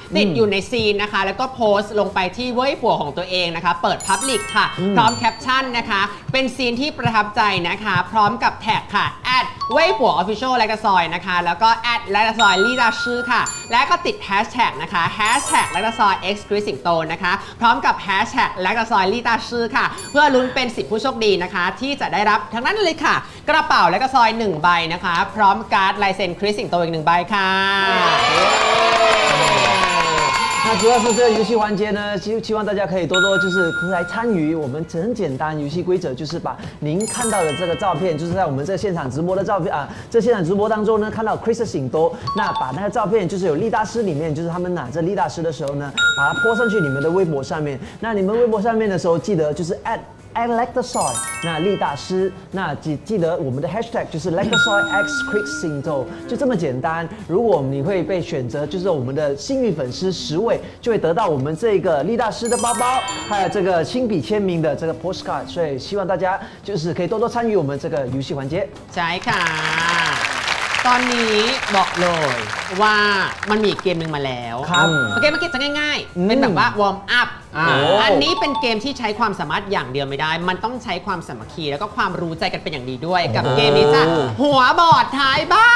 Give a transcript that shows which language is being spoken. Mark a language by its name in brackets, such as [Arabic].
[Thai] ติดอยู่ในซีนนะคะแล้วก็โพสต์ลงไปที่เว่ยปัวของตัวเองนะคะเปิดพับลิกค่ะพร้อมแคปชั่นนะคะเป็นซีนที่ประทับใจนะคะพร้อมกับแท็กค่ะแอดเว่ยปัวออฟฟิเชียลไลกาซอยนะคะแล้วก็แอดไลกาซอยลีดาชื่อค่ะและก็ติดแฮชแท็กนะคะแฮชแท็กไลกาซอยเอ็กซ์คริสสิงโตนะคะพร้อมกับแฮชแท็กไลกาซอยลีดาชื่อค่ะเพื่อลุ้นเป็น10ผู้โชคดีนะคะที่จะได้รับทั้งนั้นเลยค่ะกระเป๋าไลกาซอย1ใบนะคะพร้อมการ์ดลายเซ็นคริสสิงโตอีก1ใบค่ะ [Chinese] 那主要是这个游戏环节呢，就希望大家可以多多就是来参与。我们很简单，游戏规则就是把您看到的这个照片，就是在我们这现场直播的照片啊，在现场直播当中呢，看到 Chris 醒多，那把那个照片就是有力大师里面，就是他们拿着力大师的时候呢，把它泼上去你们的微博上面。那你们微博上面的时候，记得就是 add。I like the soy， 那力大师，那记得我们的 hashtag 就是 like the soy x quick single， 就这么简单。如果你会被选择，就是我们的幸运粉丝十位，就会得到我们这个力大师的包包，还有这个亲笔签名的这个 postcard。所以希望大家就是可以多多参与我们这个游戏环节。 [Thai] ใช่ค่ะ。 ตอนนี้บอกเลยว่ามันมีเกมนึงมาแล้ว ครับ เกมเมื่อกี้จะง่ายๆเป็นแบบว่าวอร์มอัพ อันนี้เป็นเกมที่ใช้ความสามารถอย่างเดียวไม่ได้มันต้องใช้ความสามัคคีแล้วก็ความรู้ใจกันเป็นอย่างดีด้วยกับเกมนี้จ้ะหัวบอร์ดท้ายใบ